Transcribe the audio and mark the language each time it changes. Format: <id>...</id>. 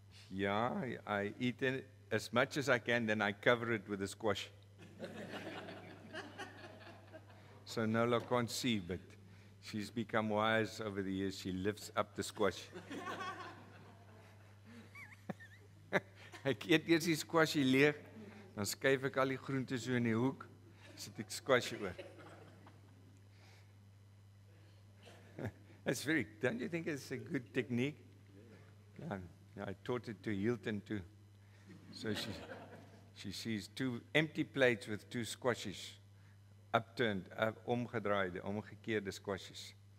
<en>Yeah, I eat it as much as I can, then I cover it with a squash. So Nola can't see, but She's become wise over the years. She lifts up the squash.</en> <af>Ek eet eers die squashie leeg, dan skuif ek al die groente so in die hoek, sit ek squashie oor.</af> <en>That's very, don't you think it's a good technique? Yeah, I taught it to Hilton too. So she sees two empty plates with two squashies, upturned,</en> <af>omgedraaide, omgekeerde squashies.</af>